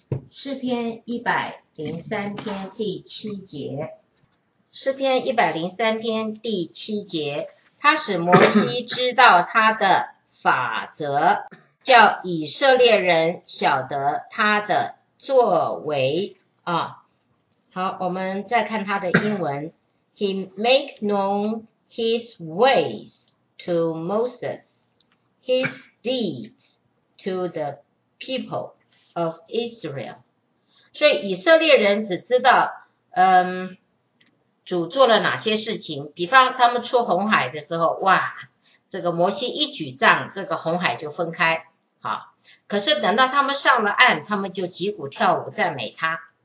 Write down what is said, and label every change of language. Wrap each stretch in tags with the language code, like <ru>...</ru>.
<zh>诗篇103篇第七节。诗篇103篇第七节，他使摩西知道他的法则。叫以色列人晓得他的作为啊。好，我们再看他的英文。</zh> <en>He make known his ways to Moses, his deeds to the people of Israel.</en> <zh>所以以色列人只知道，主做了哪些事情。比方他们出红海的时候，哇，这个摩西一举杖，这个红海就分开。好，可是等到他们上了岸，他们就击鼓跳舞赞美他。</zh>